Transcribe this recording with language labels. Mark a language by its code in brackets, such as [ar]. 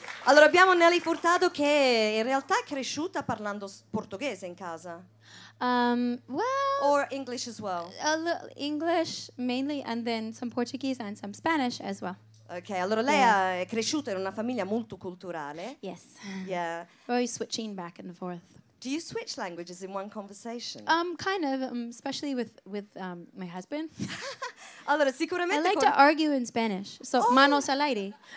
[it] Allora abbiamo Nelly Furtado che in realtà è cresciuta parlando portoghese in casa. [en] Or English as well. English mainly and then some Portuguese and some Spanish as well. [it] Okay, allora lei è cresciuta in una famiglia molto culturale. [en] Yes. Yeah. Very switching back and forth. Do you switch languages in one conversation? Kind of, especially with my husband. [it] Allora, sicuramente [en] I like to argue in Spanish. So, oh. [es] Manos al aire.